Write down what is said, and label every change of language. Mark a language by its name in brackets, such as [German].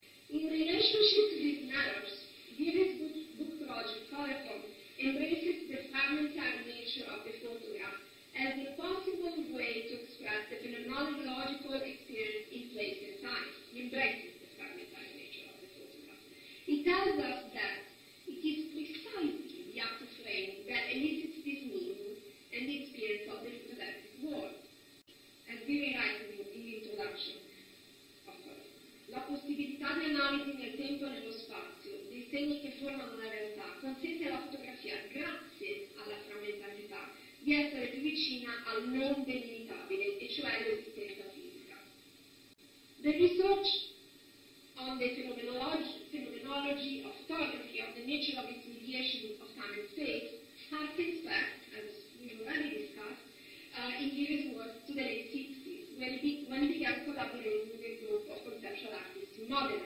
[English] In relationship to these matters, Giri's book project, Colorform, embraces the fragmentary nature of the photograph as a possible way to express the phenomenological experience in place and time. He embraces the fragmentary nature of the photograph. It tells us that it is precisely the act of frame that elicits this meaning and the experience of the photographic world. As Giri writes in the introduction, of course, [Italian] la possibilità di analisi nel tempo e nello spazio, dei segni che formano la realtà, consente alla fotografia, grazie alla frammentarietà, di essere più vicina al non delimitabile, e cioè all'esistenza fisica. [English] The research on the phenomenology of photography, of the nature of its mediation of time and space, harkens back, as we've already discussed, in Giri's work to the late 60s, when he began collaborating with a group of conceptual artists in Modena.